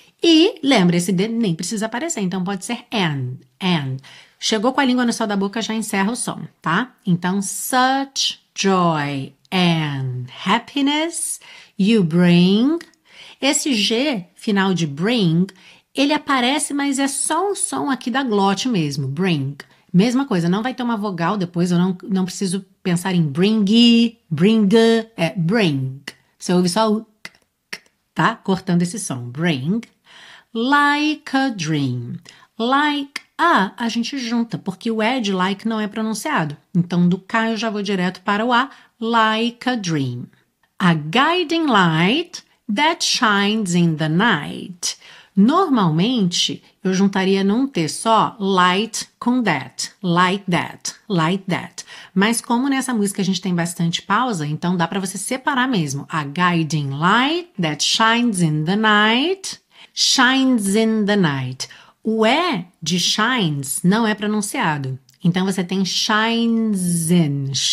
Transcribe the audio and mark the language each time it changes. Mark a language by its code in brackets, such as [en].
[pt] E lembra, esse D nem precisa aparecer, então pode ser and. Chegou com a língua no céu da boca, já encerra o som, tá? [en] Então, such joy and happiness you bring. [pt] Esse G final de bring. Ele aparece, mas é só um som aqui da glote mesmo, bring. Mesma coisa, não vai ter uma vogal depois, eu não preciso pensar em bringy, bringa, é bring. Você ouve só o k, tá? Cortando esse som, bring. [en] Like a dream. [pt] Like a gente junta, porque o ed like não é pronunciado. Então, do k eu já vou direto para o a, [en] like a dream. A guiding light that shines in the night. [pt] Normalmente, eu juntaria num T só light com that, like that, like that. Mas como nessa música a gente tem bastante pausa, então dá para você separar mesmo. [en] A guiding light that shines in the night, shines in the night. [pt] O E de shines não é pronunciado. Então você tem shines in.